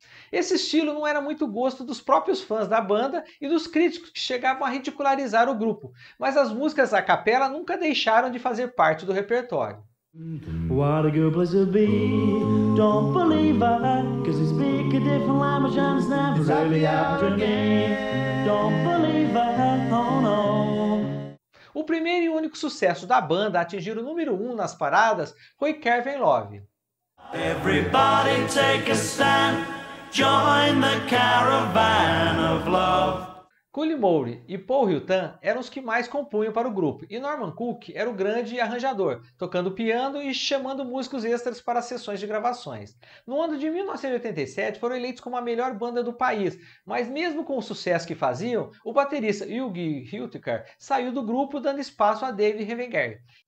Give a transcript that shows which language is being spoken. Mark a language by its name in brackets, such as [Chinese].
[Portuguese] Esse estilo não era muito gosto dos próprios fãs da banda e dos críticos que chegavam a ridicularizar o grupo, mas as músicas a capela nunca deixaram de fazer parte do repertório. [English] What a good place to be. Don't believe it, 'cause they speak a different language and it's never really happened to me. Don't believe it, oh no. [Portuguese] O primeiro e único sucesso da banda a atingir o número 1 nas paradas foi Kevin Love. [English] Everybody take a stand, join the caravan of love. [Portuguese] Cooley Mowry e Paul Hilton eram os que mais compunham para o grupo, e Norman Cook era o grande arranjador, tocando piano e chamando músicos extras para sessões de gravações. No ano de 1987, foram eleitos como a melhor banda do país, mas mesmo com o sucesso que faziam, o baterista Yogi Hiltiker saiu do grupo dando espaço a Dave Revenger.